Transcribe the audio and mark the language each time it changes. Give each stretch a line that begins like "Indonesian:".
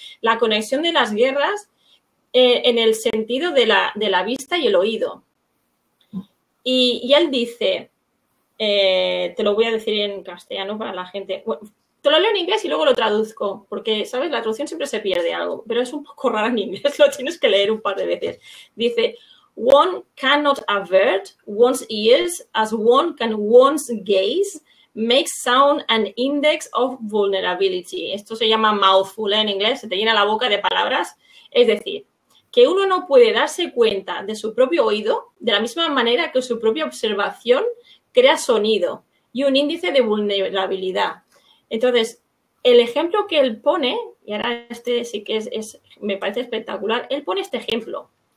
Spanish: La conexión de las guerras en el sentido de la vista y el oído. Y él dice, te lo voy a decir en castellano para la gente, bueno, te lo leo en inglés y luego lo traduzco, porque, ¿sabes? La traducción siempre se pierde algo, pero es un poco raro en inglés, lo tienes que leer un par de veces. Dice,
English: one cannot avert one's ears as one can one's gaze make sound an index of vulnerability.
Spanish: Esto se llama mouthful en inglés, se te llena la boca de palabras. Es decir, que uno no puede darse cuenta de su propio oído de la misma manera que su propia observación crea sonido y un índice de vulnerabilidad. Entonces, el ejemplo que él pone, y ahora este sí que es me parece espectacular, él pone este ejemplo.